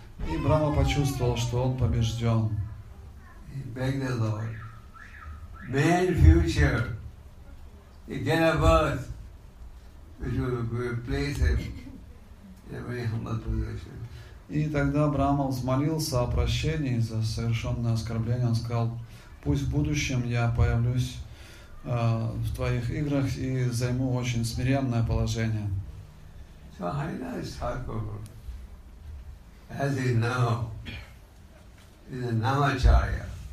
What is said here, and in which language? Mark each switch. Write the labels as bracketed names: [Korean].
[Russian] И Брама почувствовал, что он побежден. [English] He begged the Lord, may in future he get a birth which will replace him in a very humble position. [Russian] И тогда Брама взмолился о прощении за совершенное оскорбление. Он сказал, пусть в будущем я появлюсь в твоих играх и займу очень смиренное положение. [English] So Haridas Thakur, as he now, is a Namacharya.